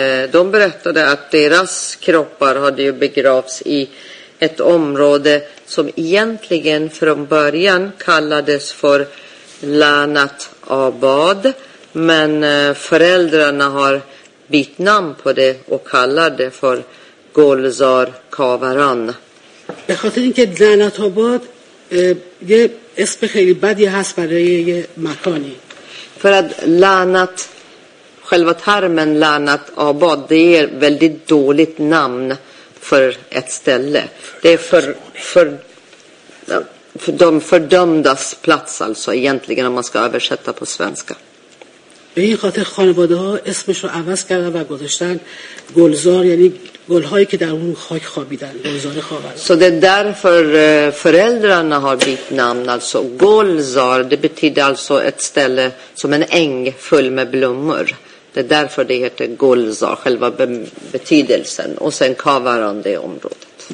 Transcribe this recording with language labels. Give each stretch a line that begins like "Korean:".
Swedish: de berättade att deras kroppar hade ju begravts i ett område som egentligen från början kallades för Lanat Abad, men föräldrarna har bytt namn på det och kallar det för Gulzar Khavaran.
Persian: به خاطر اینکه لعنت آباد یه اسم خیلی بدی هست برای یه مکانی.
Swedish: För att lanat, själva termen lanat abad, det är ett väldigt dåligt namn för ett ställe. Det är för de fördömdas plats, alltså egentligen, om man ska översätta på svenska.
Persian: به این خاطر خانواده ها اسمش رو عوض کردن و گذاشتن گلزار، یعنی گلهایی که در اون خاک خوابیدن، گلزار خاوران.
Swedish: Så det är därför föräldrarna har bytt namn, alltså Gulzar, det betyder alltså ett ställe som en äng full med blommor. Det är därför det heter Gulzar, själva betydelsen, och sen Khavaran, det området.